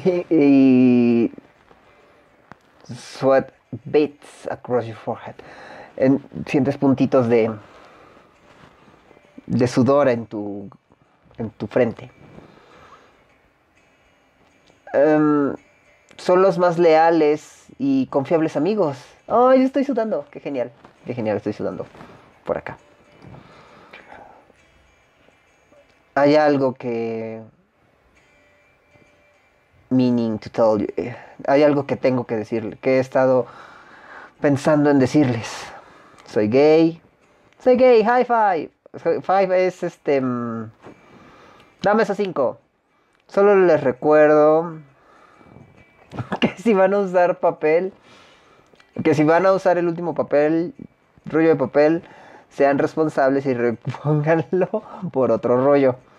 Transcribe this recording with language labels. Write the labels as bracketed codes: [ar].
[en] Y sweat beads across your forehead. [es] Sientes puntitos de sudor en tu frente. Son los más leales y confiables amigos. Oh, yo estoy sudando. Qué genial, estoy sudando por acá. Hay algo que [en] meaning to tell you. [es] Hay algo que tengo que decirle, que he estado pensando en decirles. Soy gay. Soy gay, high five. Five es este. Dame esas cinco. Solo les recuerdo que si van a usar papel, que si van a usar el último papel, rollo de papel, sean responsables y repónganlo por otro rollo.